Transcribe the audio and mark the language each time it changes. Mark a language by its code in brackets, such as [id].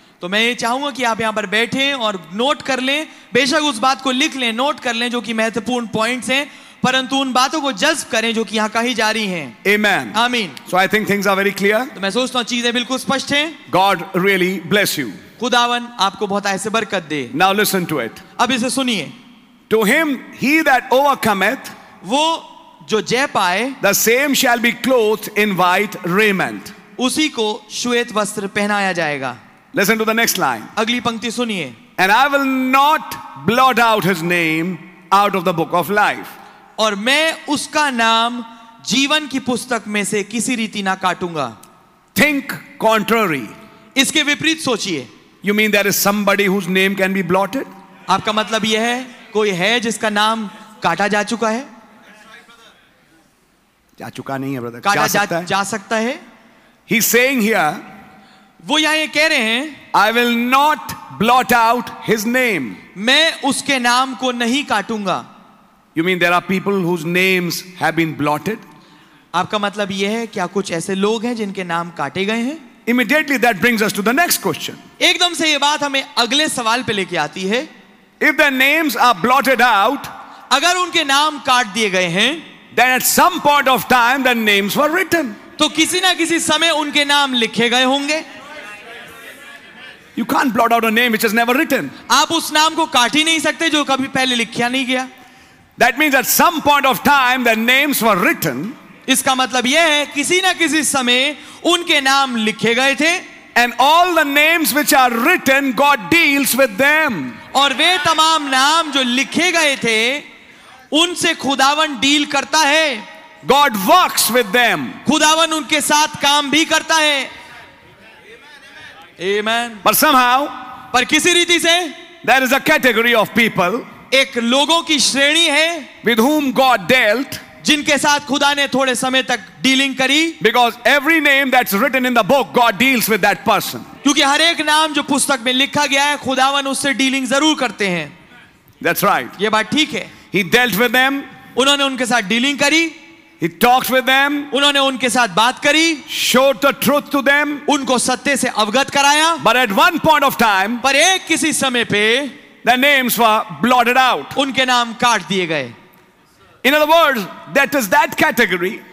[hi] तो मैं ये चाहूंगा कि आप यहां पर बैठें और नोट कर लें बेशक उस बात को लिख लें नोट कर लें जो कि महत्वपूर्ण पॉइंट्स हैं परंतु उन बातों को जज्ब करें जो कि यहां कही जा रही हैं आमीन आमीन [en] so I think things are very clear [hi] तो मैं सोचता हूं चीजें बिल्कुल स्पष्ट हैं [en] God really bless you [hi] खुदावन आपको बहुत ऐसे बरकत दे [en] now listen to it [hi] अब इसे सुनिए [en] to him he that overcometh [hi] वो जो जय पाए [en] the same shall be cloth in white raiment [hi] उसी को श्वेत वस्त्र पहनाया जाएगा [en] Listen to the next line. [hi] अगली पंक्ति सुनिए. [en] And I will not blot out his name out of the book of life. [hi] और मैं उसका नाम जीवन की पुस्तक में से किसी रीति ना काटूंगा. [en] Think contrary. [hi] इसके विपरीत सोचिए. [en] You mean there is somebody whose name can be blotted? [hi] आपका मतलब यह है कोई है जिसका नाम काटा जा चुका है? जा चुका नहीं है ब्रदर. काटा जा सकता है. जा सकता है. [en] He's saying here. [hi] वो यहां ये कह रहे हैं [en] I will not blot out his name [hi] मैं उसके नाम को नहीं काटूंगा [en] you mean there are people whose names have been blotted [hi] आपका मतलब ये है क्या कुछ ऐसे लोग हैं जिनके नाम काटे गए हैं [en] immediately that brings us to the next question [hi] एकदम से ये बात हमें अगले सवाल पे लेके आती है [en] if the names are blotted out [hi] अगर उनके नाम काट दिए गए हैं [en] then at some point of time the names were written [hi] तो किसी ना किसी समय उनके नाम लिखे गए होंगे [en] You can't blot out a name which is never written. [hi] आप उस नाम को काट ही नहीं सकते जो कभी पहले लिखा नहीं गया. [en] That means at some point of time the names were written. [hi] इसका मतलब यह है किसी ना किसी समय उनके नाम लिखे गए थे. [en] And all the names which are written, God deals with them. [hi] और वे तमाम नाम जो लिखे गए थे, उनसे खुदावन डील करता है. [en] God works with them. [hi] खुदावन उनके साथ काम भी करता है. [en] Amen. But somehow, [hi] पर किसी रीति से, [en] there is a category of people, [hi] एक लोगों की श्रेणी है, [en] with whom God dealt, [hi] जिनके साथ खुदा ने थोड़े समय तक डीलिंग करी, [en] because every name that's written in the book, God deals with that person. [hi] क्योंकि हर एक नाम जो पुस्तक में लिखा गया है, खुदावन उससे डीलिंग जरूर करते हैं. [en] That's right. [hi] ये बात ठीक है. [en] He dealt with them. [hi] उन्होंने उनके साथ डीलिंग करी. [en] He talks with them. [hi] उन्होंने उनके साथ बात करी. [en] Showed the truth to them. [hi] उनको सत्य से अवगत कराया. [en] But at one point of time, [hi] पर एक किसी समय पे, [en] the names were blotted out. [hi] उनके नाम काट दिए गए. [en] In other words, that is that category.